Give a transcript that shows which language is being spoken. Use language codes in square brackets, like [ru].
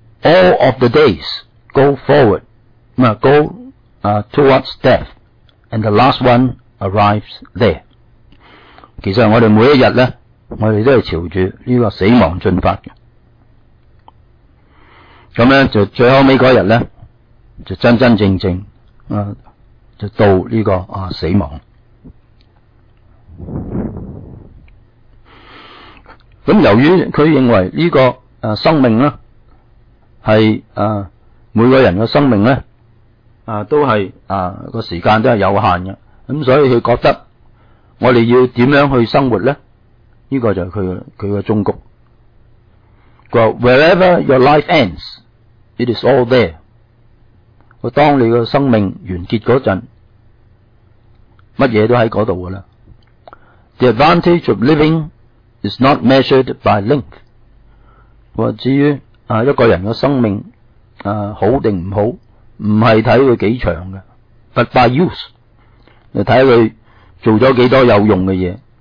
[en] All of the days go forward, go towards death, and the last one arrives there. [yue] 其实我哋每一日咧，我哋都系朝住呢个死亡进发嘅。咁咧就最后尾嗰日咧，就真真正正啊，就到呢、这个啊死亡。咁由于佢认为呢、这个诶、生命咧系啊每个人嘅生命咧啊都系啊个时间都系有限嘅，咁所以佢觉得我哋要点样去生活咧？呢、这个就系佢嘅忠告。佢话 [en] wherever your life ends, it is all there。 [yue] 佢当你嘅生命完结嗰阵，乜嘢都喺嗰度噶啦。 [en] The advantage of living is not measured by length。 [yue] 话至于啊一个人嘅生命啊好定唔好，唔系睇佢几长嘅 ， [en] but by use， [yue] 就睇佢做咗几多有用嘅嘢。